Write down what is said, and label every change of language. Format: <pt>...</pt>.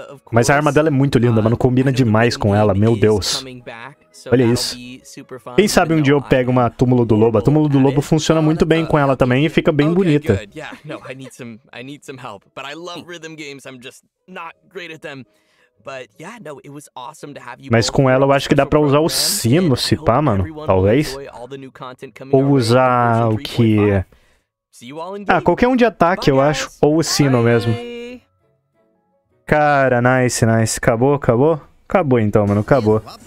<pt>Mas a arma dela é muito linda, mano. Combina demais com ela, meu Deus. Olha isso. Quem sabe um dia eu pego uma túmulo do lobo. A túmulo do lobo funciona muito bem com ela também e fica bem bonita.</pt> <en>I need some help, but I love rhythm games. I'm just not great at them. But yeah, no, it was awesome to have you.</en> <pt>Mas com ela eu acho que dá pra usar o sino, se pá, mano. Talvez. Ou usar o que? Ah, qualquer um de ataque, eu acho. Ou o sino mesmo. Cara, nice, nice. Acabou então, mano. Acabou.</pt>